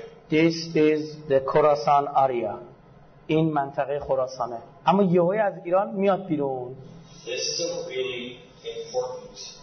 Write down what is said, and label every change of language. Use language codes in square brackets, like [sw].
[en] This is the Khorasan area. [fa] این منطقه خراسانه. اما یهوی از ایران میاد بیرون. [en] This is really important.